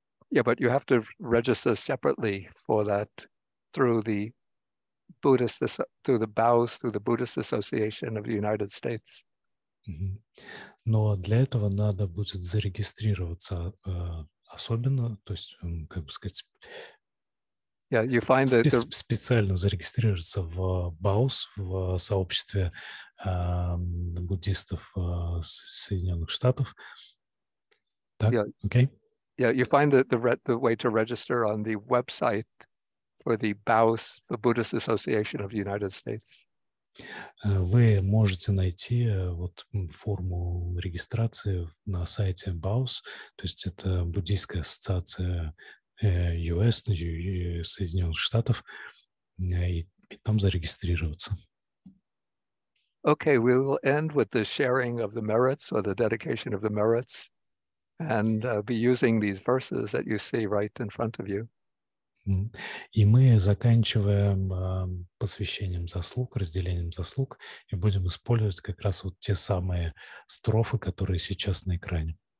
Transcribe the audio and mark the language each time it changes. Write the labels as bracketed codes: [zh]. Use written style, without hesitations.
[en] Yeah, but you have to register separately for that through the Buddhist, through the BAUS, through the Buddhist Association of the United States. [ru] Но для этого надо будет зарегистрироваться особенно, то есть, как бы сказать, [en] you find that [ru] специально зарегистрироваться в BAUS, в сообществе буддистов Соединенных Штатов. Так, окей? [en] Yeah, you find that the way to register on the website for the BAUS, the Buddhist Association of the United States. [ru] Вы можете найти вот форму регистрации на сайте BAUS, то есть это буддийская ассоциация US, Соединенных Штатов, и там зарегистрироваться. [en] Okay, we will end with the sharing of the merits or the dedication of the merits and be using these verses that you see right in front of you. [ru] И мы заканчиваем посвящением заслуг, разделением заслуг, и будем использовать как раз вот те самые строфы, которые сейчас на экране.